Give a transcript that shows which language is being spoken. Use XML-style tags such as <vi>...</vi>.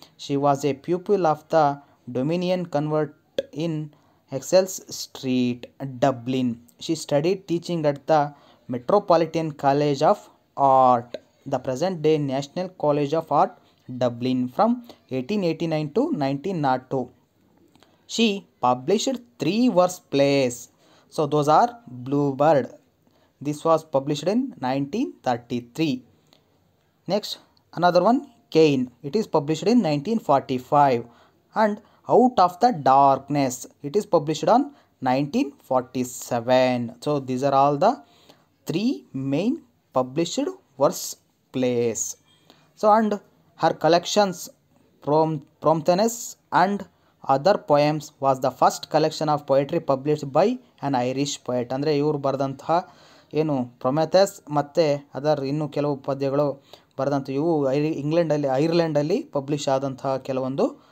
<en>She was a pupil of the Dominican Convent in Eccles Street Dublin. She studied teaching at the Metropolitan College of Art, the present day National College of Art Dublin, from 1889 to 1902. She published 3 verse plays. So those are Bluebird. This was published in 1933. Next, another one, Cain. It is published in 1945. And Out of the Darkness. It is published on 1947. So these are all the 3 main published verse plays. So and her collections, Promptness and Other Poems, was the first collection of poetry published by an Irish poet.</en> <kn>ಅಂದರೆ ಇವರು ಬರೆದಂತಹ ಏನು ಪ್ರೊಮೆಥಸ್ ಮತ್ತು other ಇನ್ನೂ ಕೆಲವು ಪದ್ಯಗಳು ಬರೆದಂಥ ಇವು ಇಂಗ್ಲೆಂಡಲ್ಲಿ ಐರ್ಲೆಂಡಲ್ಲಿ ಪಬ್ಲಿಷ್ ಆದಂತಹ ಕೆಲವೊಂದು</kn>